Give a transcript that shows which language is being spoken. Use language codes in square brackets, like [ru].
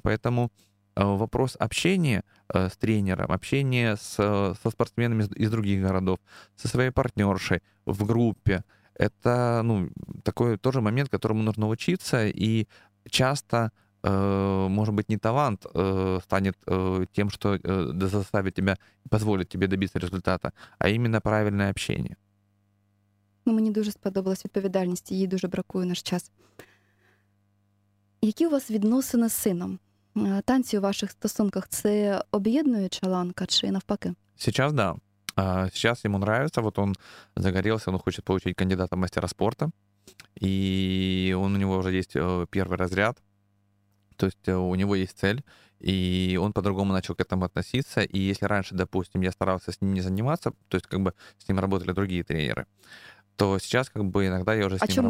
[ru] Поэтому вопрос общения с тренером, общения со спортсменами из других городов, со своей партнершей в группе, это, ну, такой тоже момент, которому нужно учиться, и часто, может быть, не талант станет тем, что заставит тебя, позволит тебе добиться результата, а именно правильное общение. [uk] Ну, мені дуже сподобалась відповідальність, її дуже бракує наш час. Які у вас відносини з сином? Танці у ваших стосунках – це об'єднуюча ланка чи навпаки? [ru] Сейчас, да. Сейчас ему нравится, вот он загорелся, он хочет получить кандидата в мастера спорта, и он, у него уже есть первый разряд, то есть у него есть цель, и он по-другому начал к этому относиться, и если раньше, допустим, я старался с ним не заниматься, то есть как бы с ним работали другие тренеры, то сейчас как бы иногда я уже с ним работаю.